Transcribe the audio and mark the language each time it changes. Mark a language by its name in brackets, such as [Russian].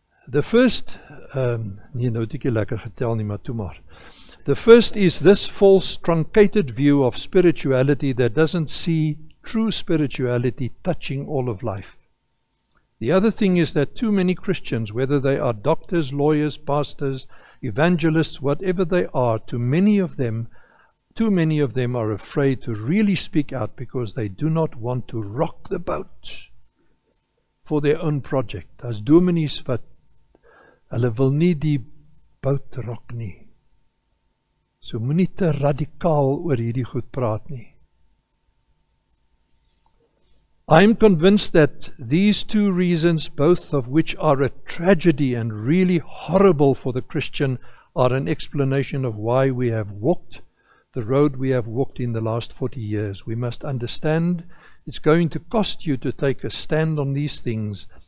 [English] The first, [Afrikaans] nie nou het ek hier lekker getel nie, maar toe maar. [English] The first is this false truncated view of spirituality that doesn't see true spirituality touching all of life. The other thing is that too many Christians, whether they are doctors, lawyers, pastors, evangelists, whatever they are, too many of them are afraid to really speak out because they do not want to rock the boat for their own project. [Afrikaans] As dominees, wat hulle wil nie die boot rock nie. So moet nie te radikaal oor hierdie goed praat nie. [English] I'm convinced that these two reasons, both of which are a tragedy and really horrible for the Christian, are an explanation of why we have walked the road we have walked in the last 40 years. We must understand it's going to cost you to take a stand on these things.